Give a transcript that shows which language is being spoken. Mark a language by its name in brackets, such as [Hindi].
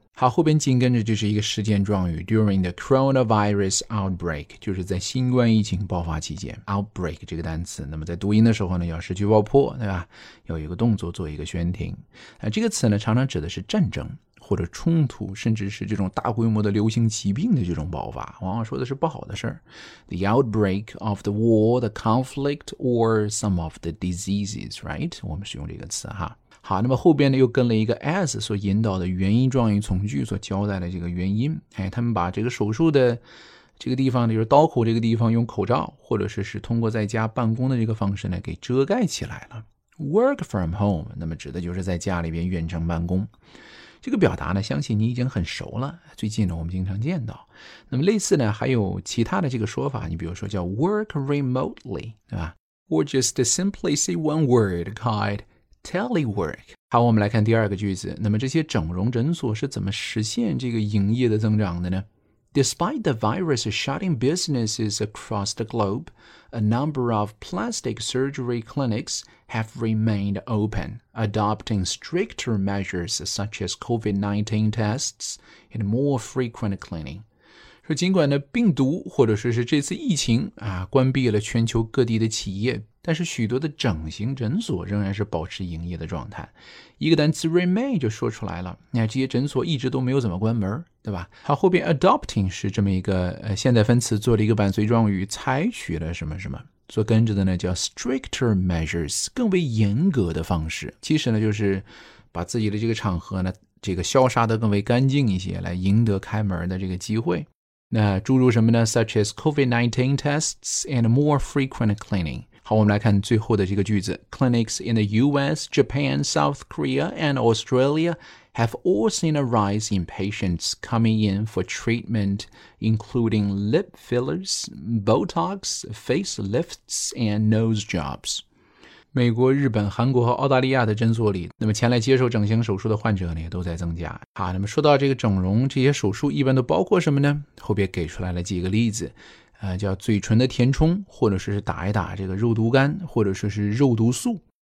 [Chinese] 好，后边紧跟着就是一个时间状语 , [English] during the coronavirus outbreak, [Chinese] 就是在新冠疫情爆发期间 ,outbreak 这个单词。那么在读音的时候呢要失去爆破，对吧，要有一个动作做一个宣停。这个词呢常常指的是战争或者冲突，甚至是这种大规模的流行疾病的这种爆发，往往说的是不好的事儿。 [English] The outbreak of the war, the conflict, or some of the diseases, right? [Chinese] 我们是用这个词哈。好，那么后边呢又跟了一个 as 所引导的原因状语从句所交代的这个原因。哎，他们把这个手术的这个地方呢，就是刀口这个地方，用口罩或者是通过在家办公的这个方式呢给遮盖起来了。 [English] Work from home, [Chinese] 那么指的就是在家里边远程办公。这个表达呢相信你已经很熟了，最近呢我们经常见到。那么类似呢还有其他的这个说法，你比如说叫 work remotely, 对吧 ? [English] or just simply say one word called telework。 [Chinese] 好，我们来看第二个句子，那么这些整容诊所是怎么实现这个营业的增长的呢 [English] ?Despite the virus shutting businesses across the globe, a number of plastic surgery clinics have remained open, adopting stricter measures such as COVID-19 tests and more frequent cleaning. [Chinese] 说尽管呢病毒或者说是这次疫情啊关闭了全球各地的企业，但是许多的整形诊所仍然是保持营业的状态。一个单词 remain 就说出来了，那这些诊所一直都没有怎么关门，对吧？好，后边 adopting 是这么一个现在分词，做了一个伴随状语，采取了什么什么。所跟着的呢叫 stricter measures, 更为严格的方式。其实呢就是把自己的这个场合呢这个消杀得更为干净一些，来赢得开门的这个机会。那诸如什么呢 [English] ?such as COVID-19 tests and more frequent cleaning. [Chinese] 好，我们来看最后的这个句子。 [English] Clinics in the US, Japan, South Korea, and Australia have all seen a rise in patients coming in for treatment, including lip fillers, Botox, facelifts, and nose jobs. [Chinese] 美国、日本、韩国和澳大利亚的诊所里，那么前来接受整形手术的患者呢，也都在增加。好，那么说到这个整容，这些手术一般都包括什么呢？后边给出来了几个例子，叫嘴唇的填充，或者说是打一打这个肉毒杆，或者说是肉毒素。